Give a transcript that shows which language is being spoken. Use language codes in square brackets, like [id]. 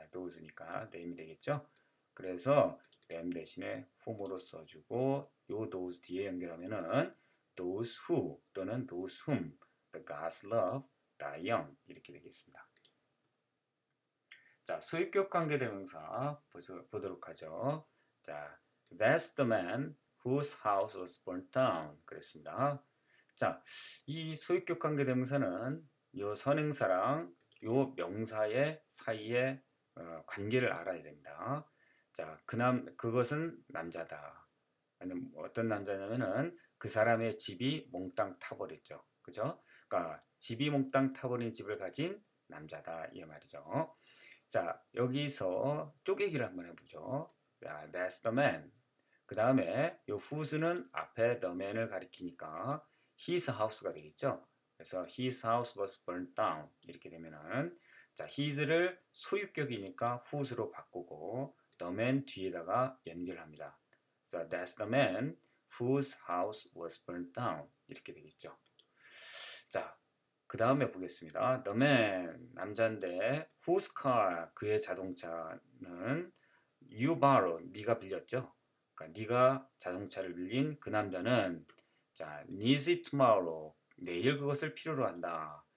[ko] those니까 them이 되겠죠. 그래서 them 대신에 whom으로 써주고 요 those 뒤에 연결하면은 those who 또는 [en] those whom the gods love [ko] 다영 이렇게 되겠습니다. 자, 수입격 관계대명사 보도록 하죠. [en] 자, That's the man whose house was burnt down. [ko] 그랬습니다. 자, 이 수입격 관계대명사는 요 선행사랑 요 명사의 사이에 관계를 알아야 됩니다. 자, 그것은 남자다. 아니면 어떤 남자냐면은 그 사람의 집이 몽땅 타버렸죠. 그죠? 그러니까 집이 몽땅 타버린 집을 가진 남자다. 이 말이죠. 자, 여기서 쪼개기를 한번 해보죠. 자, [en] that's the man. [ko] 그 다음에 요 whose는 앞에 the man을 가리키니까 [en] his house [ko] 가 되겠죠. 그래서 [en] his house was burnt down. [ko] 이렇게 되면은 자, his를 소유격이니까 whose로 바꾸고 the man 뒤에다가 연결합니다. [en] 자, that's the man whose house was burnt down. [ko] 이렇게 되겠죠. 자, 그 다음에 보겠습니다. The man, 남자인데 whose car, 그의 자동차는 [en] you borrowed, [ko] 네가 빌렸죠. 그러니까 네가 자동차를 빌린 그 남자는 자, [en] needs it tomorrow, [ko] 내일 그것을 필요로 한다.